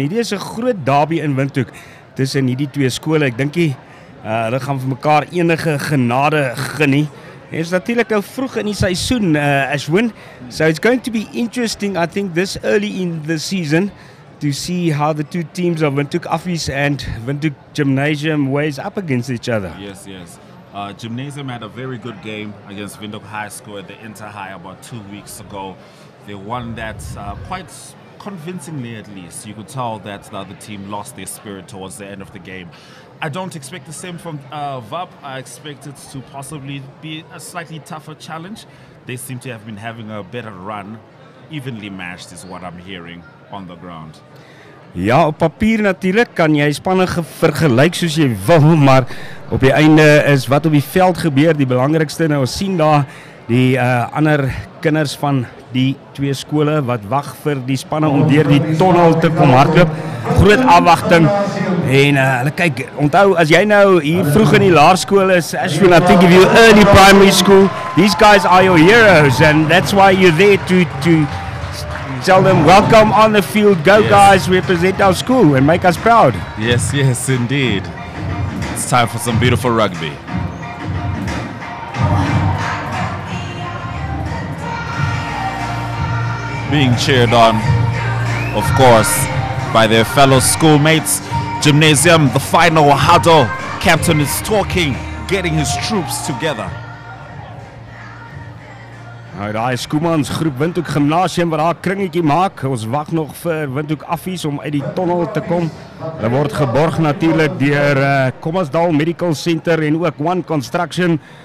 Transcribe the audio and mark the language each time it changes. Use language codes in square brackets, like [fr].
[af] Hierdie is 'n groot derby in Windhoek tussen hierdie twee skole. Ek dink hulle gaan vir mekaar enige genade genie. Dit is natuurlik al vroeg in die seisoen, Ashwin. [en] So it's going to be interesting, I think, this early in the season to see how the two teams of Windhoek Office and Windhoek Gymnasium weighs up against each other. Yes, yes. Gymnasium had a very good game against Windhoek High School at the Inter High about 2 weeks ago. They won that quite convincingly, at least. You could tell that the other team lost their spirit towards the end of the game. I don't expect the same from WAP. I expect it to possibly be a slightly tougher challenge. They seem to have been having a better run. Evenly matched is what I'm hearing on the ground. [af] Ja, op papier natuurlijk kan jy spanne vergelijk soos jy wil, maar op die einde is wat op die veld gebeur die belangrikste. Nou, ons sien daar die ander kinders van die twee skole wat wag vir die spanne om deur die tunnel te kom hardloop. Groot afwagting. En hulle kyk, onthou, as jy nou hier vroeg in die laerskool is, [en] as you know, I think if you're early primary school, these guys are your heroes, and that's why you're there to tell them, welcome on the field, go yes. Guys, represent our school and make us proud. Yes, yes, indeed. It's time for some beautiful rugby. Being cheered on, of course, by their fellow schoolmates. Gymnasium, the final huddle. Captain is talking, getting his troops together. [af] Nou, daar is Koemans groep Windhoek Gymnasium wat daar kringetjie maak. Ons wacht nog vir Windhoek Affies om uit die tunnel te kom. Hulle word geborg natuurlijk door Kommersdal Medical Center en ook One Construction.